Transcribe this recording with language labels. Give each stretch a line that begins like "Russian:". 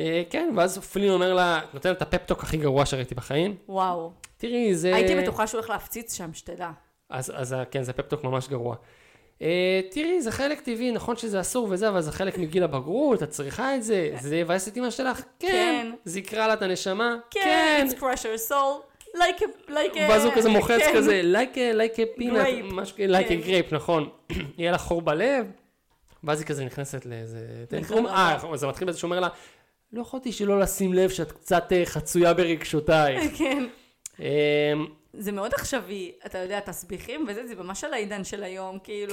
Hebrew: כן, ואז פלין אומר לה, נותן את הפפטוק הכי גרוע שראיתי בחיים. וואו. תראי, זה... הייתי בטוחה שהוא הולך להפציץ שם, שתדע. אז כן, זה פפטוק ממש גרוע. תראי, זה חלק טבעי, נכון שזה אסור וזה, אבל זה חלק מגיל הבגרות, את צריכה את זה, זה יבאס את אמא שלך, כן, זה יקרה לה את הנשמה,
English: כן, it's crush your soul, like a...
Hebrew: ואז הוא כזה מוחץ כזה,
English: like a peanut, like a grape,
Hebrew: נכון, יהיה לה חור בלב, ואז היא כזה נכנסת לאיזה... זה מתחיל בזה שאומר לה, לא יכולתי שלא לשים לב שאת קצת חצויה ברגשותייך. כן. זה מאוד עכשווי, אתה יודע, תסביכים, וזה, זה ממש על העידן של היום, כאילו.